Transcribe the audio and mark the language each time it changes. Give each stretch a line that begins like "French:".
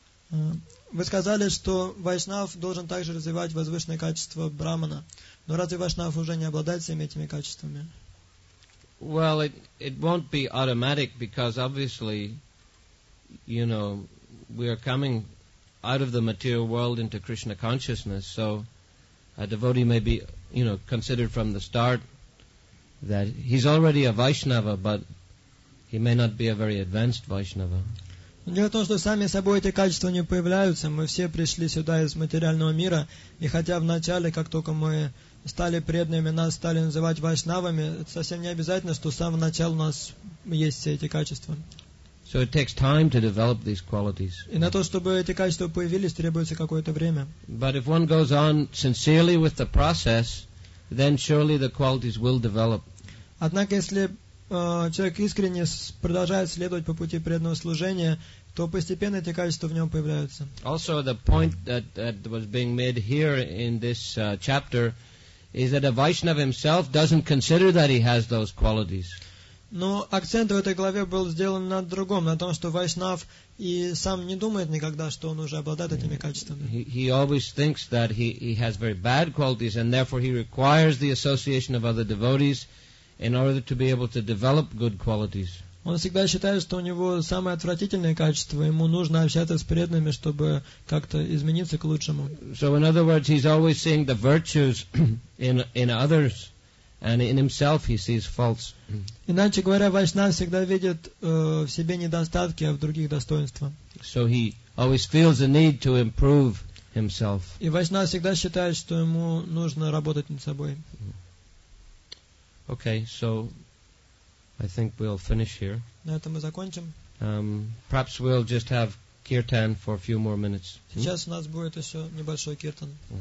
Russian: Вы сказали, что Вайшнав должен также развивать возвышенные качества Брахмана. Но разве Вайшнав уже не обладает всеми этими качествами?
English: Well, it won't be automatic because obviously, you know, we are coming out of the material world into Krishna consciousness, so a devotee may be, you know, considered from the start that he's already a Vaishnava, but he may not be a very advanced Vaishnava.
Russian: Дело в том, что сами собой эти качества не появляются. Мы все пришли сюда из материального мира. И хотя вначале, как только мы стали преданными, нас стали называть вайшнавами, это совсем не обязательно, что с самого начала у нас есть все эти качества.
English: So it takes time to develop these qualities.
Russian: И на то, чтобы эти качества появились, требуется какое-то время.
English: But if one goes on sincerely with the process, then surely the qualities will develop.
Russian: Однако, если человек искренне продолжает следовать по пути преданного служения, то постепенно эти качества в нем появляются.
English: Also, the point that was being made here in this chapter is that a Vaishnava himself doesn't consider that he has those qualities.
Russian: Но акцент в этой главе был сделан на другом, на том, что Вайшнав и сам не думает никогда, что он уже обладает этими качествами.
English: He always thinks that he has very bad qualities and therefore he requires the association of other devotees in order to be able to develop good qualities.
Russian: Он всегда считает, что у него самое отвратительное качество, ему нужно общаться с преданными, чтобы как-то измениться к лучшему.
English: So in other words, he's always seeing the virtues in others And in himself he sees faults.
Russian: Иначе говоря, вайшнав всегда видит в себе недостатки, а в других достоинства.
English: So he always feels the need to improve himself.
Russian: И вайшнав всегда считает, что ему нужно работать над собой.
English: Okay, so I think we'll finish here.
Russian: На этом мы закончим.
English: Perhaps we'll just have kirtan for a few more minutes.
Russian: Сейчас у нас будет еще небольшой киртан.